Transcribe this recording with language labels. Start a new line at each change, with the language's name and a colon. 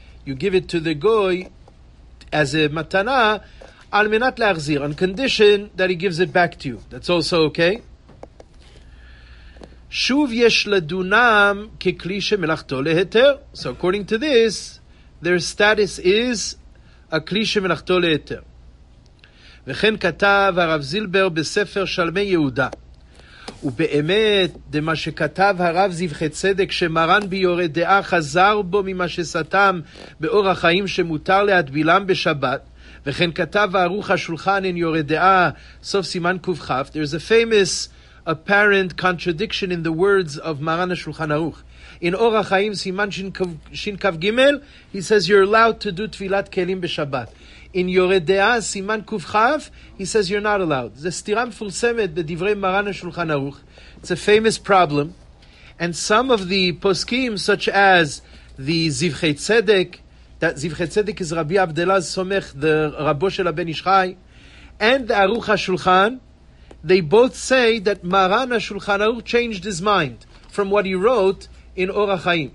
English: You give it to the goy as a
Hebrew: matana al menat l'achzir,
English: on condition that he gives it back to you. That's also okay.
Hebrew: Shuv yesh ladunam kekli shemelachto le'eter.
English: So according to this, their status is a kli shemelachto le'eter.
Hebrew: V'chen katav Rav Zilber b'sefer Shalmei Yehuda. ובאמת, דמה שכתב הרב זבחי צדק, שמרן ביורד דעה חזר בו ממה שסתם באור החיים שמותר להדבילם בשבת, וכן כתב ארוך השולחן אין יורד דעה, סוף סימן קובחף.
English: There's a famous apparent contradiction in the words of מרן השולחן ארוך. In אור החיים, סימן שין קו גימל, he says you're allowed to do תפילת כלים בשבת. In Yored Dea, Siman Kuf Chav, he says you're not allowed. The
Hebrew: Stiram Fulsemet B'Divrei
English: Maran HaShulchan Aruch. It's a famous problem. And some of the poskim, such as the Zivchei Tzedek, that Zivchei Tzedek is Rabbi Abdelaz Somech, the Rabbo Shel HaBen Ishchai, and the Aruch HaShulchan, they both say that Maran HaShulchan Aruch changed his mind from what he wrote in Orach Chaim.